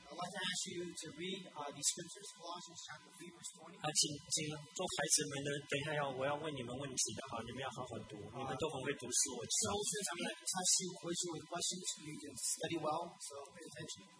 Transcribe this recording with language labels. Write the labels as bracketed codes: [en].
[en] I'd like to ask you to read these scriptures, Colossians chapter 3, verse 20. [zh] 请做孩子们的，等一下要我要问你们问题的哈，你们要好好读，你们都很会读书。 [en] I'm going to ask you questions with questions, you can study well, so pay attention.